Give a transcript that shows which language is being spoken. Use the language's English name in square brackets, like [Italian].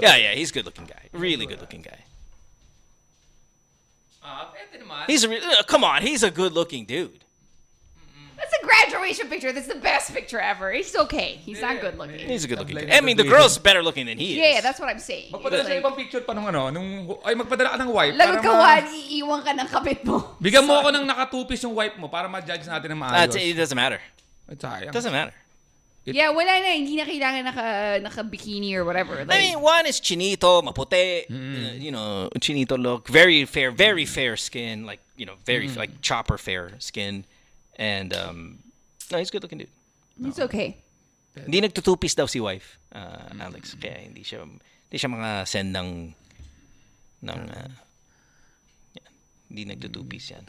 [English] Yeah, he's a good-looking guy. Really good-looking guy. He's a good-looking dude. That's a graduation picture. That's the best picture ever. He's okay. He's not good-looking. He's a good-looking guy. I mean, the girl's better looking than he is. Yeah, that's what I'm saying. [Filipino] Magpadala sa ibang picture pa magpadala ka ng wife. Lagot ka, Juan. Iiwan ka ng kapit mo. Bigyan mo ako ng naka-two-piece yung wife mo para ma-judge natin ng maayos. [English] It doesn't matter. It's doesn't matter. [Filipino] It, yeah, wala na. Hindi na kailangan naka-bikini [English] or whatever. Like, I mean, one is chinito, maputi. Mm-hmm. You know, chinito look. Very fair skin. Like, you know, very, mm-hmm. like, chopper fair skin. And, no, he's a good-looking dude. He's okay. [Filipino] Hindi nagtutupis daw si wife, mm-hmm. Alex. Kaya hindi siya mga send ng hindi nagtutupis yan.